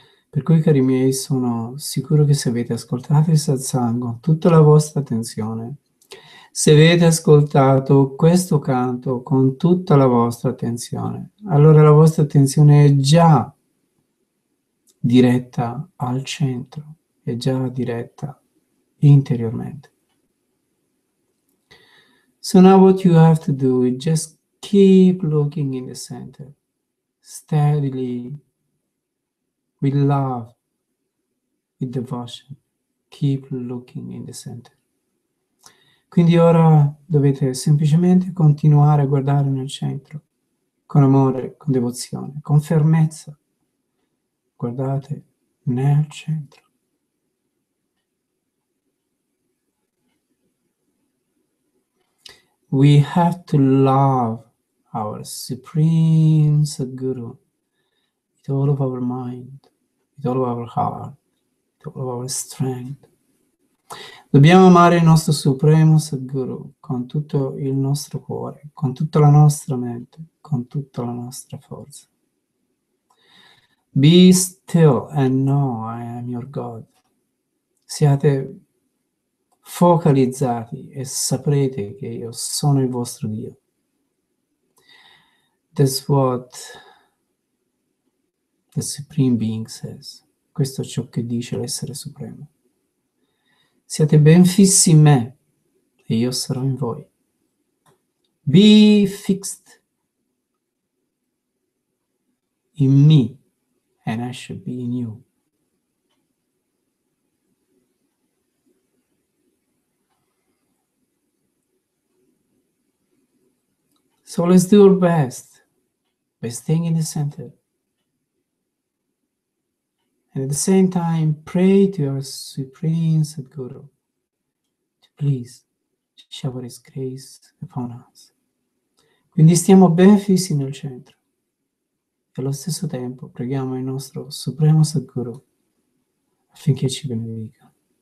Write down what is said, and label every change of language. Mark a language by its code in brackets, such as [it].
[it] Per cui, cari miei, sono sicuro che se avete ascoltato il satsang con tutta la vostra attenzione, se avete ascoltato questo canto con tutta la vostra attenzione, allora la vostra attenzione è già diretta al centro, è già diretta interiormente. [en] So now what you have to do is just keep looking in the center, steadily, with love, with devotion, keep looking in the center. [it] Quindi ora dovete semplicemente continuare a guardare nel centro, con amore, con devozione, con fermezza. Guardate nel centro. [en] We have to love our Supreme Sadguru with all of our mind, with all of our heart, with all of our strength. [it] Dobbiamo amare il nostro Supremo Sadguru con tutto il nostro cuore, con tutta la nostra mente, con tutta la nostra forza. [en] Be still and know I am your God. [it] Siate focalizzati e saprete che io sono il vostro Dio. [en] That's what the Supreme Being says. [it] Questo è ciò che dice l'essere supremo. Siate ben fissi in me e io sarò in voi. [en] Be fixed in me and I shall be in you. So let's do our best by staying in the center. And at the same time, pray to your Supreme Sadguru to please shower his grace upon us. [it] Quindi stiamo ben fissi nel centro. E allo stesso tempo preghiamo il nostro Supremo Sadguru affinché ci benedica.